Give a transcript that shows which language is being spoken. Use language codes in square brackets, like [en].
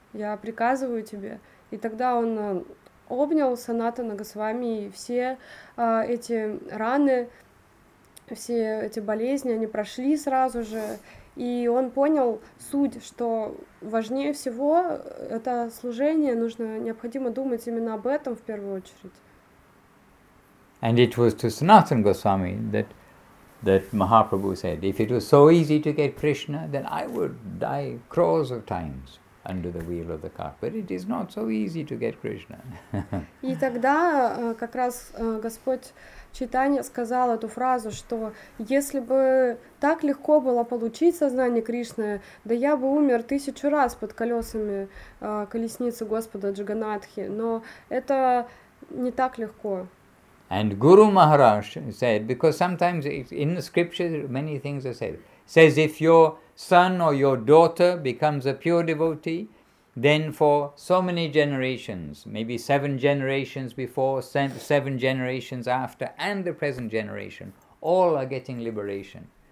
[ru] Я приказываю тебе. И тогда он обнял Санатана Госвами, и все эти раны, все эти болезни, они прошли сразу же. И он понял суть, что важнее всего это служение, нужно, необходимо думать именно об этом в первую очередь. [en] And it was to Sanatana Goswami that Mahaprabhu said, if it was so easy to get Krishna, then I would die crores of times under the wheel of the car. But it is not so easy to get Krishna. [ru] И тогда как раз Господь Чайтанья сказал эту фразу, что если бы так легко было получить сознание Кришны, да я бы умер 1000 раз под колесами колесницы Господа Джаганатхи, но это не так легко. [en] And Guru Maharaj said, because sometimes in the scriptures many things are said, says if your son or your daughter becomes a pure devotee, then for so many generations, maybe 7 generations before, 7 generations after, and the present generation, all are getting liberation.